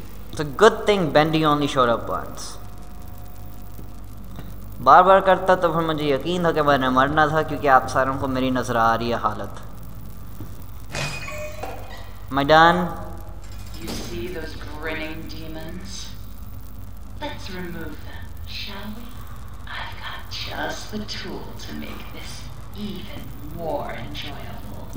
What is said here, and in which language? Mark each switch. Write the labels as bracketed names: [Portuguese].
[English] It's a good thing Bendy only showed up once. [Hindi] बार बार करता तो फिर मुझे यकीन था कि मैंने मरना था क्योंकि आप सारों को मेरी नजर आ रही है हालत. [English] Am I done? You see those grinning demons? Let's remove them, shall we? I've got just the tool to make this even more enjoyable.